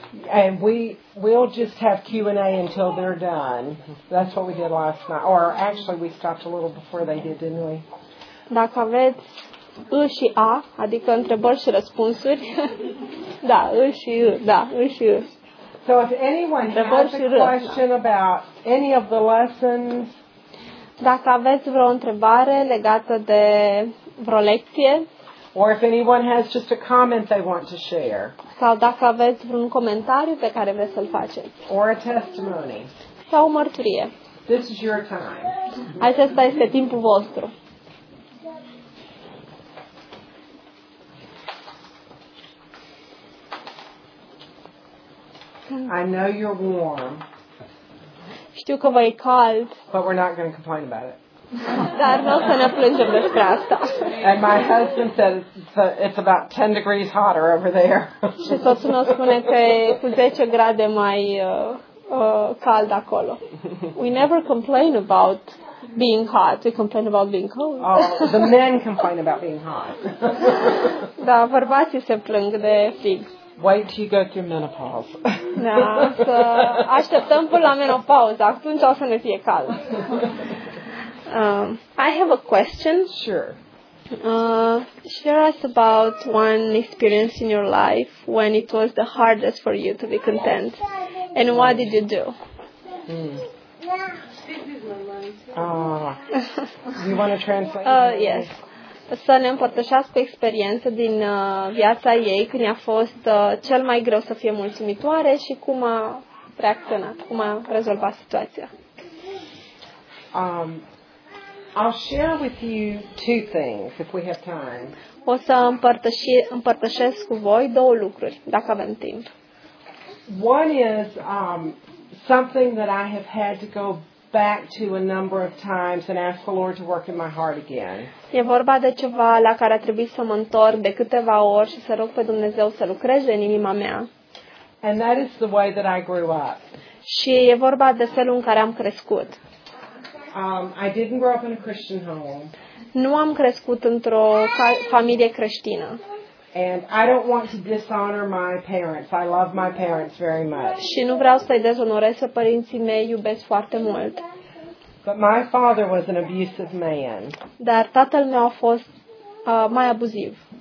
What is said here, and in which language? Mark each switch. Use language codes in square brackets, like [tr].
[en] And we'll just have Q&A until they're done. That's what we did last night. Or actually, we stopped a little before they did, didn't we? [ro] Dacă aveți î și a, adică întrebări și răspunsuri. Da, î și î, da, î și î. [en] So if anyone [ro] întrebări [en] has a question about any of the lessons. [ro] Dacă aveți vreo întrebare legată de vreo lecție. [en] Or if anyone has just a comment they want to share. [ro] Sau dacă aveți vreun comentariu pe care vreți să-l faceți. [en] Or a testimony. [ro] Sau o mărturie. [en] This is your time. [ro] Acesta este timpul vostru. [en] I know you're warm. [ro] Știu că vă e cald. [en] But we're not going to complain about it. [ro] Dar nu o să ne plângem despre asta. [en] And my husband said it's about 10 degrees hotter over there. [ro] Și soțul meu spune că e cu 10 grade mai cald acolo. [en] We never complain about being hot. We complain about being cold. Oh, the men complain about being hot. [ro] Da, bărbații se plâng de frig. [en] Wait till you go through menopause. [ro] Da, să așteptăm până la menopauză. Atunci o să ne fie cald. [en] I have a question. Sure. Share us about one experience in your life when it was the hardest for you to be content. And what did you do? Do you want to translate? Yes. [ro] Să ne împărtășească experiență din viața ei când i-a fost cel mai greu să fie mulțumitoare și cum a reacționat, cum a rezolvat situația. [en] I'll share with you two things if we have time. [ro] O să împărtășesc cu voi două lucruri, dacă avem timp. [en] One is something that I have had to go back to a number of times and ask the Lord to work in my heart again. [ro] E vorba de ceva la care a trebuit să mă întorc de câteva ori și să rog pe Dumnezeu să lucreze în inima mea. [en] And that is the way that I grew up. [ro] Și e vorba de felul în care am crescut. [en] I didn't grow up in a Christian home. [ro] Nu am crescut într-o familie creștină. [en] And I don't want to dishonor my parents. I love my parents very much. [ro] Și nu vreau să-i dezonorez pe părinții mei, iubesc foarte mult. [en] But my father was an abusive man. [ro] Dar tatăl meu a fost mai abuziv.